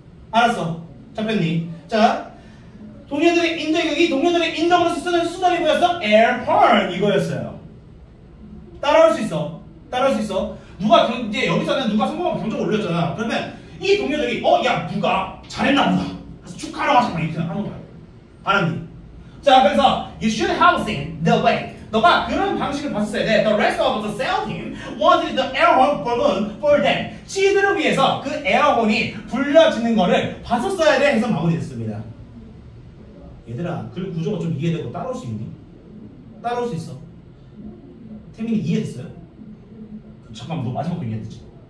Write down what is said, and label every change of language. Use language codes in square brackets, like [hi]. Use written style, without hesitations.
[ko] 알았어, 잡혔니? 자, 동료들의 인정, 여기 동료들의 인정으로서 쓰는 수단이 뭐였어? Airhorn 이거였어요. 따라할 수 있어. 따라할 수 있어. 누가, 이제 여기서는 누가 성공하고 경적을 올렸잖아. 그러면 이 동료들이, 어, 야, 누가 잘했나 보다. 그래서 축하하러 가자. 이렇게 하는 거야. 바람이. 자, 그래서, [en] you should have seen the way. [ko] 너가 그런 방식을 봤어야 돼. [en] The rest of the sales team wanted the air horn balloon for them. [ko] 지들을 위해서 그 에어혼이 불러지는 거를 봤었어야 돼. 해서 마무리 됐습니다. 얘들아, 글 구조가 좀 이해되고 따라올 수 있니? 따라올 수 있어. 태민이 이해됐어요? 잠깐만, 너 마지막 거 이해됐지?